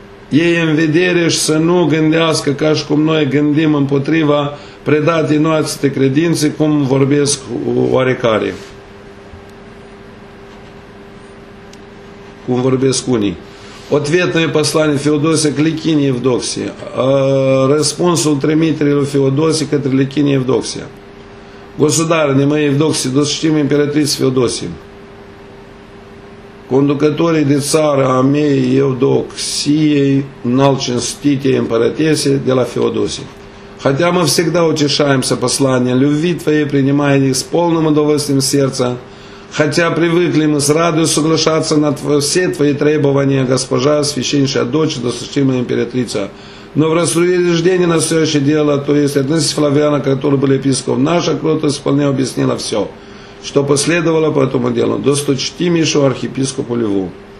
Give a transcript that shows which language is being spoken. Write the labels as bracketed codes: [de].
[ro] ei în vedere și să nu gândească ca și cum noi gândim împotriva predatei noastre credințe, cum vorbesc oarecare. Cum vorbesc unii. [ru] Ответное послание Феодосия к Ликинии Евдоксии. [ro] Răspunsul trimiterii lui Феодосии către Ликинии Евдоксия. [ru] Государине моей Евдоксии, досточтимой императрице Феодосии. [ro] Conducătorii de țară a mei Евдоксией, înalt cinstitei împărătese, de la Феодосии. [ru] Хотя мы всегда утешаемся посланием любви Твоей, принимая их с полным удовольствием сердца, хотя привыкли мы с радостью соглашаться на все Твои требования, госпожа, священнейшая дочь, досточтимая императрица. Но в рассуждении на настоящее дело, то есть относительно Флавиана, который был епископ, наша кротость вполне объяснила все, что последовало по этому делу, досточтимейшего архиепископу Льву.